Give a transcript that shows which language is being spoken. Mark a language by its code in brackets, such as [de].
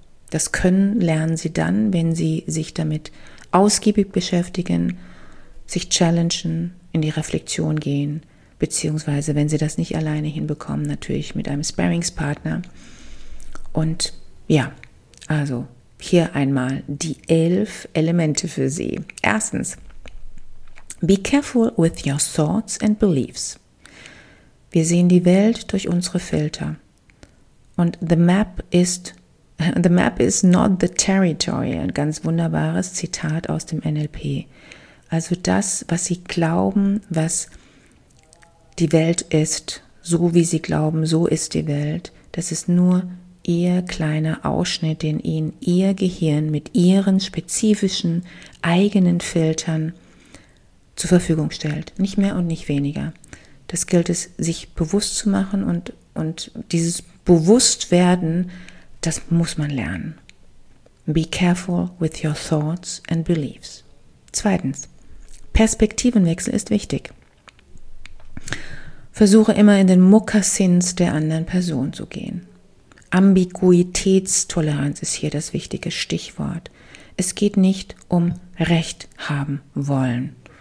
[de] Das Können lernen Sie dann, wenn Sie sich damit ausgiebig beschäftigen, sich challengen, in die Reflexion gehen, beziehungsweise wenn Sie das nicht alleine hinbekommen, natürlich mit einem Sparringspartner. Und ja, also hier einmal die 11 Elemente für Sie. Erstens, [en] be careful with your thoughts and beliefs. [de] Wir sehen die Welt durch unsere Filter. Und [en] the map is not the territory. [de] Ein ganz wunderbares Zitat aus dem NLP. Also das, was Sie glauben, was die Welt ist, so wie Sie glauben, so ist die Welt. Das ist nur Ihr kleiner Ausschnitt, den Ihnen Ihr Gehirn mit Ihren spezifischen eigenen Filtern zur Verfügung stellt. Nicht mehr und nicht weniger. Das gilt es, sich bewusst zu machen und dieses Bewusstwerden, das muss man lernen. [en] Be careful with your thoughts and beliefs. [de] Zweitens, Perspektivenwechsel ist wichtig. Versuche immer in den Mokassins der anderen Person zu gehen. Ambiguitätstoleranz ist hier das wichtige Stichwort. Es geht nicht um Recht haben wollen.